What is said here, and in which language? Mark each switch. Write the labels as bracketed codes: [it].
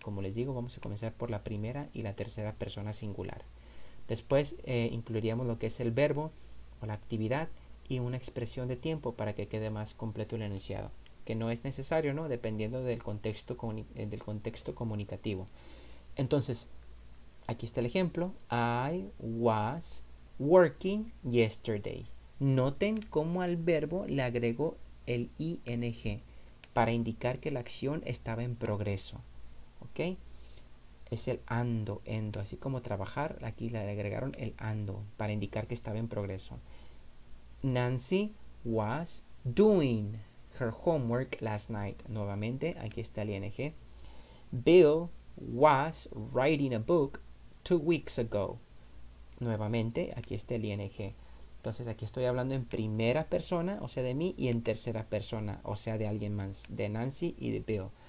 [es] Como les digo, vamos a comenzar por la primera y la tercera persona singular. Después incluiríamos lo que es el verbo o la actividad y una expresión de tiempo para que quede más completo el enunciado, que no es necesario, ¿no? Dependiendo del contexto comunicativo. Entonces, aquí está el ejemplo. [en] I was working yesterday. [es] Noten cómo al verbo le agrego el ing para indicar que la acción estaba en progreso. ¿Ok? Es el ando, endo. Así como trabajar, aquí le agregaron el ando para indicar que estaba en progreso. [en] Nancy was doing her homework last night. [es] Nuevamente, aquí está el ing. [en] Bill was writing a book 2 weeks ago. [es] Nuevamente, aquí está el ing. Entonces, aquí estoy hablando en primera persona, o sea, de mí, y en tercera persona, o sea, de alguien más, de Nancy y de Bill.